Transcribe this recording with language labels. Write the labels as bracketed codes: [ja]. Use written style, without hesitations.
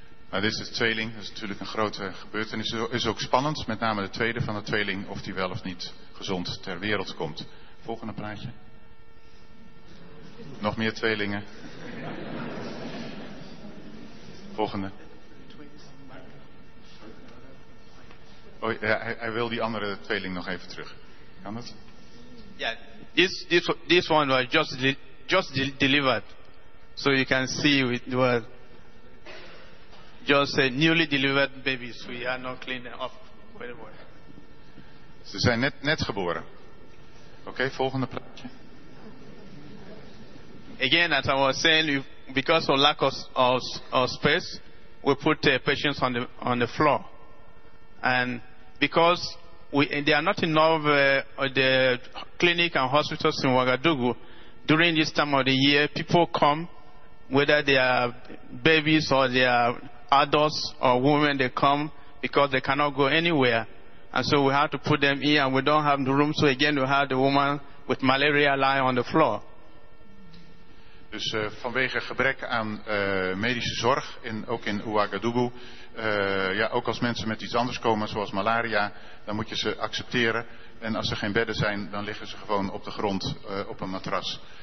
[nl] Nou, dit is de tweeling, dat is natuurlijk een grote gebeurtenis. Het is ook spannend, met name de tweede van de tweeling, of die wel of niet gezond ter wereld komt. Volgende plaatje. Nog meer tweelingen. Volgende. Oh, ja, hij wil die andere tweeling nog even terug. Kan dat? [en] Ja, this one was just delivered. So you can see it was just a newly delivered babies. We are not cleaning up. [nl] Ze zijn net geboren. Oké, okay, volgende plaatje. [en] Again, as I was saying, because of lack of space, we put patients on the floor. And because there are not enough the clinic and hospitals in Ouagadougou, during this time of the year, people come, whether they are babies or they are adults or women, they come because they cannot go anywhere, and so we have to put them here, and we don't have the room. So again, we have the woman with malaria lying on the floor. [nl] Dus vanwege gebrek aan medische zorg ook in Ouagadougou, ook als mensen met iets anders komen, zoals malaria, dan moet je ze accepteren. En als er geen bedden zijn, dan liggen ze gewoon op de grond op een matras.